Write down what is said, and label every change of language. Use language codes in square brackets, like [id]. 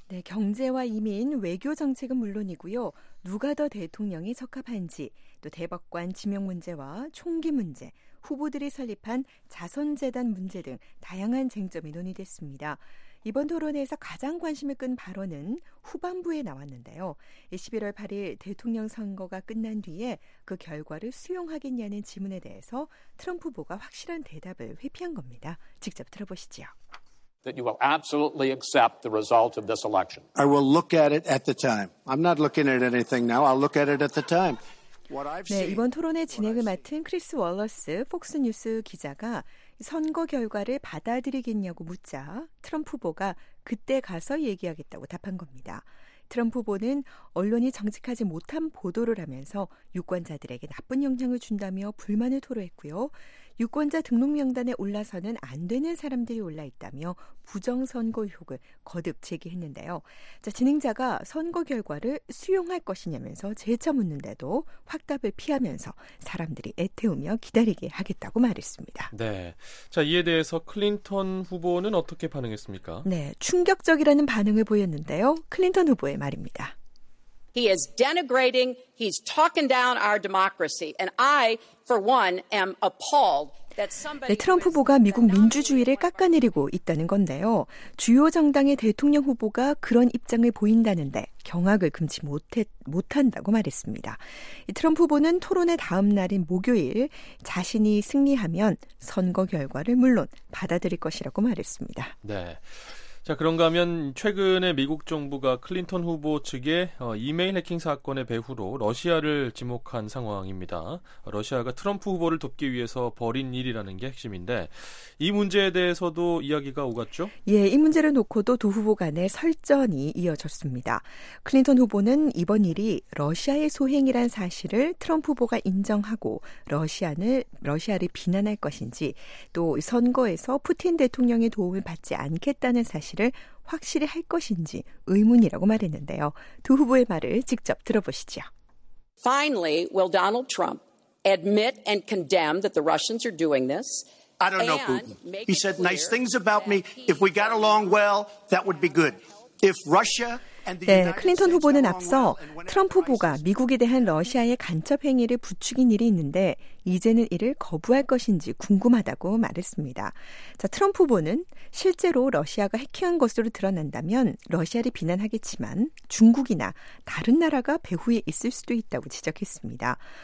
[ko] 네, 경제와 이민, 외교 정책은 물론이고요. 누가 더 대통령이 적합한지, 또 대법관 지명 문제와 총기 문제, 후보들이 설립한 자선재단 문제 등 다양한 쟁점이 논의됐습니다. 이번 토론회에서 가장 관심을 끈 발언은 후반부에 나왔는데요. 11월 8일 대통령 선거가 끝난 뒤에 그 결과를 수용하겠냐는 질문에 대해서 트럼프 후보가 확실한 대답을 회피한 겁니다. 직접 들어보시죠. [en] That you will absolutely accept the result of this election. I will look at it at the time. I'm not looking at anything now. I'll look at it at the time. [ko] 네, 이번 토론회 진행을 맡은 크리스 월러스 폭스뉴스 기자가 선거 결과를 받아들이겠냐고 묻자 트럼프 후보가 그때 가서 얘기하겠다고 답한 겁니다. 트럼프 후보는 언론이 정직하지 못한 보도를 하면서 유권자들에게 나쁜 영향을 준다며 불만을 토로했고요. 유권자 등록 명단에 올라서는 안 되는 사람들이 올라있다며 부정선거 의혹을 거듭 제기했는데요. 자, 진행자가 선거 결과를 수용할 것이냐면서 재차 묻는데도 확답을 피하면서 사람들이 애태우며 기다리게 하겠다고 말했습니다. 네. 자, 이에 대해서 클린턴 후보는 어떻게 반응했습니까? 네. 충격적이라는 반응을 보였는데요. 클린턴 후보의 말입니다. [en] He is denigrating, he's talking down our democracy, and I, for one, am appalled. [ko] 네, 트럼프 후보가 미국 민주주의를 깎아내리고 있다는 건데요. 주요 정당의 대통령 후보가 그런 입장을 보인다는데 경악을 금치 못한다고 말했습니다. 이 트럼프 후보는 토론의 다음 날인 목요일 자신이 승리하면 선거 결과를 물론 받아들일 것이라고 말했습니다. 네. 자, 그런가 하면 최근에 미국 정부가 클린턴 후보 측의 이메일 해킹 사건의 배후로 러시아를 지목한 상황입니다. 러시아가 트럼프 후보를 돕기 위해서 벌인 일이라는 게 핵심인데 이 문제에 대해서도 이야기가 오갔죠? 예, 이 문제를 놓고도 두 후보 간의 설전이 이어졌습니다. 클린턴 후보는 이번 일이 러시아의 소행이란 사실을 트럼프 후보가 인정하고 러시아를 비난할 것인지 또 선거에서 푸틴 대통령의 도움을 받지 않겠다는 사실을 확실히 할 것인지 의문이라고 말했는데요. 두 후보의 말을 직접 들어보시죠. [en] Finally, will Donald Trump admit and condemn that the Russians are doing this? I don't know, Putin. He said nice things about me. If we got along well, that would be good. If Russia [ko] 네, 클린턴 후보는 앞서 트럼프 후보가 미국에 대한 러시아의 간첩 행위를 부추긴 일이 있는데 이제는 이를 거부할 것인지 궁금하다고 말했습니다. 자, 트럼프 후보는 실제로 러시아가 해킹한 것으로 드러난다면 러시아를 비난하겠지만 중국이나 다른 나라가 배후에 있을 수도 있다고 지적했습니다.